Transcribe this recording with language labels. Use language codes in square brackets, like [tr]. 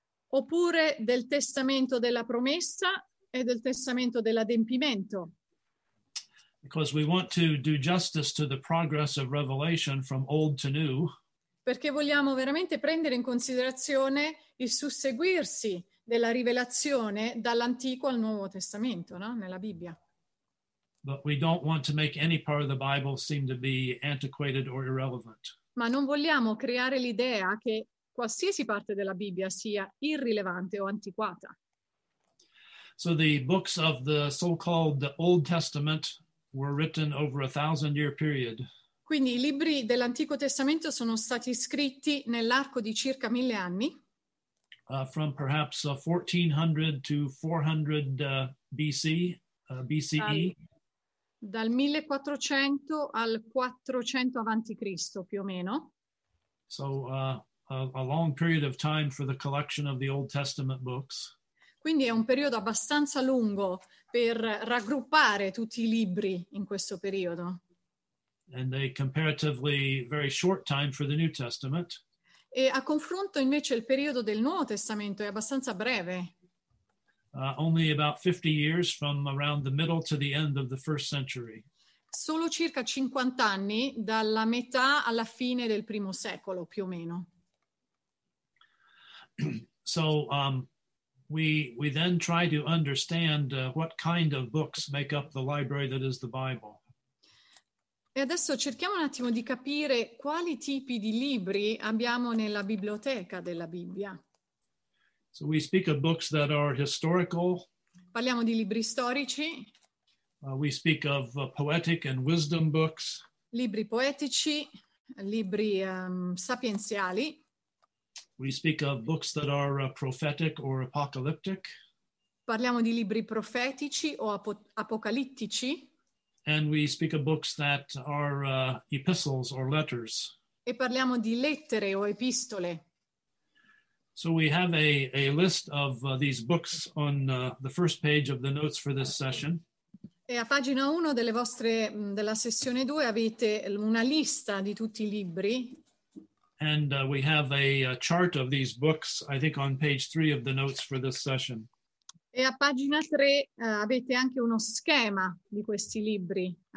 [it] Oppure del Testamento della Promessa e del Testamento dell'Adempimento. [en] Because we want to do justice to the progress of Revelation from old to new. [it] Perché vogliamo veramente prendere in considerazione il susseguirsi della rivelazione dall'Antico al Nuovo Testamento, no? Nella Bibbia. [en] But we don't want to make any part of the Bible seem to be antiquated or irrelevant. [it] Ma non vogliamo creare l'idea che qualsiasi parte della Bibbia sia irrilevante o antiquata. [en] So the books of the so-called Old Testament were written over a 1,000-year period. [it] Quindi i libri dell'Antico Testamento sono stati scritti nell'arco di circa 1000 anni. [en] From perhaps 1400 to 400 BC, BCE. [it] Dal 1400 al 400 avanti Cristo, più o meno. [en] So a long period of time for the collection of the Old Testament books. [it] Quindi è un periodo abbastanza lungo per raggruppare tutti i libri in questo periodo. [en] And a comparatively very short time for the New Testament. [it] E a confronto invece il periodo del Nuovo Testamento è abbastanza breve. [en] Only about 50 years from around the middle to the end of the first century. [it] Solo circa 50 anni dalla metà alla fine del primo secolo, più o meno. [en] So we then try to understand what kind of books make up the library that is the Bible. [it] E adesso cerchiamo un attimo di capire quali tipi di libri abbiamo nella biblioteca della Bibbia. [en] So we speak of books that are historical. [it] Parliamo di libri storici. [en] We speak of poetic and wisdom books. [it] Libri poetici, libri sapienziali. [en] We speak of books that are prophetic or apocalyptic. [it] Parliamo di libri profetici o apocalittici. [en] And we speak of books that are epistles or letters. [it] E parliamo di lettere o epistole. [en] So we have a list of these books on the first page of the notes for this session. [it] E a pagina 1 delle vostre della sessione 2 avete una lista di tutti i libri. [en] And we have a chart of these books, I think, on page 3 of the notes for this session. [it] E a pagina 3 avete anche uno schema di questi libri.